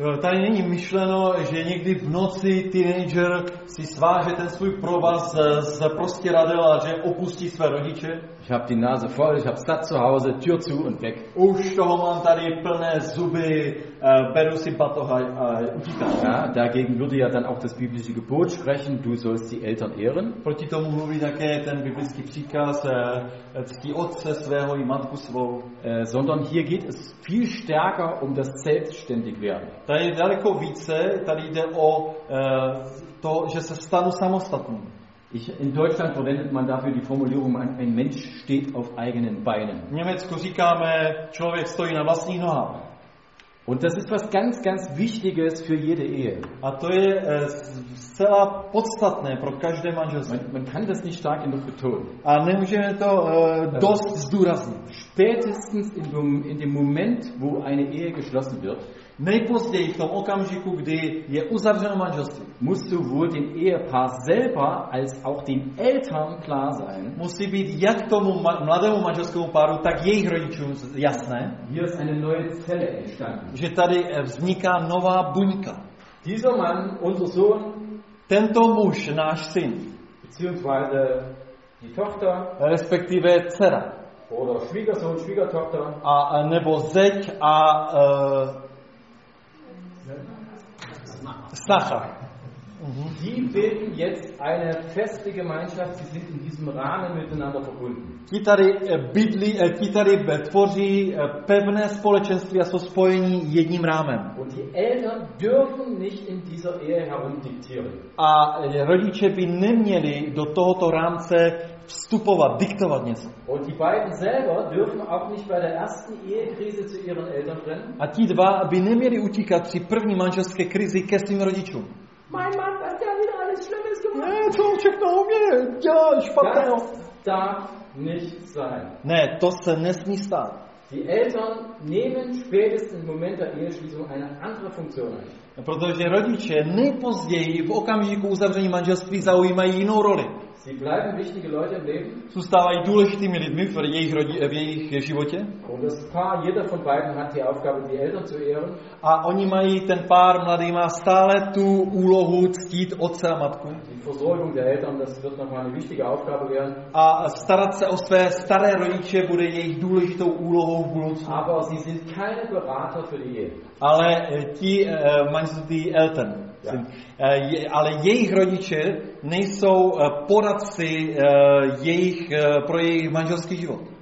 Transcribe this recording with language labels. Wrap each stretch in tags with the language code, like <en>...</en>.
<cs>Tady není myšleno, že někdy v noci teenager si sváže ten svůj provaz z prostěradel a že opustí své rodiče.</cs> <de>Ich hab die Nase voll, ich hab satt zu Hause, Tür zu und weg.</de> <cs>Už toho mám tady plné zuby, beru si batoha a utíkám.</cs> <de>Ja, dagegen würde ja dann auch das biblische Gebot sprechen, du sollst die Eltern ehren.</de> <cs>Proti tomu mluví také ten biblický příkaz, ctí otce svého i matku svou.</cs> <de>Sondern hier geht es viel stärker um das Selbstständigwerden.</de> <cs>Tady daleko více, tady jde o to, že se stanu samostatným.</cs> <de>In Deutschland verwendet man dafür die Formulierung, ein Mensch steht auf eigenen Beinen.</de> <cs>V Německu říkáme, člověk stojí na vlastních nohách.</cs> <de>Und das ist was ganz, ganz Wichtiges für jede Ehe.</de> <cs>A to je zcela podstatné pro každé manželství.</cs> <de>Man kann das nicht stark genug betonen.</de> <cs>A nemůžeme to dost zdůraznit.</cs> <de>Spätestens in dem Moment, wo eine Ehe geschlossen wird,</de> <cs>nejpozději v tom okamžiku, kdy je uzavřeno manželství,</cs> <de>muss sowohl dem Ehepaar selber als auch den Eltern klar sein,</de> <cs>musí být jak tomu mladému manželskému páru, tak jejich rodičům jasné,</cs> <de>hier ist eine neue Zelle entstanden,</de> <cs>že tady vzniká nová buňka.</cs> <de>Dieser Mann, unser Sohn,</de> <cs>tento muž, náš syn,</cs> <de>beziehungsweise die Tochter,</de> <cs>respektive dcera,</cs> <de>oder Schwiegersohn, Schwiegertochter,</de> <cs>a nebo zeť a Sacha.</cs> <de>Die bilden jetzt eine feste Gemeinschaft, sie sind in diesem Rahmen miteinander verbunden.</de> <cs>Ti tady bydlí, ti tady tvoří pevné společenství a jsou spojení jedním rámem.</cs> <de>Und die Eltern dürfen nicht in dieser Ehe herumdiktieren.</de> <cs>A rodiče by neměli do tohoto rámce vstupovat, diktovat něco.</cs> <de>Und die beiden selber dürfen auch nicht bei der ersten Ehekrise zu ihren Eltern rennen.</de> <cs>A ti dva by neměli utíkat při první manželské krizi ke svým rodičům.</cs> <de>Mein Mann, das ist ja wieder alles Schlimmes gemacht.</de> <cs>Nee, to všechno o mě. Ja, špatné.</cs> <de>Das darf nicht sein.</de> <cs>Ne, to se nesmí stát.</cs> <de>Die Eltern nehmen spätestens im Moment der Eheschließung eine andere Funktion ein.</de> <cs>Protože rodiče nejpozději v okamžiku uzavření manželství zaujímají jinou roli.</cs> <de>Sie bleiben wichtige Leute im Leben.</de> <cs>Zůstávají důležitými lidmi v jejich, jejich životě.</cs> <de>Und das Paar, jeder von beiden hat die Aufgabe, die Eltern zu ehren.</de> <cs>A oni mají, ten pár mladý má stále tu úlohu ctít otce a matku.</cs> <de>Die Versorgung der Eltern, das wird noch mal eine wichtige Aufgabe werden.</de> <cs>A starat se o své staré rodiče bude jejich důležitou úlohou v budoucnu.</cs> <de>Aber sie sind keine Berater für die Ehe.</de> <cs>Ale ti manželství Eltern. Ale jejich rodiče nejsou poradci jejich, pro jejich manželský život.</cs>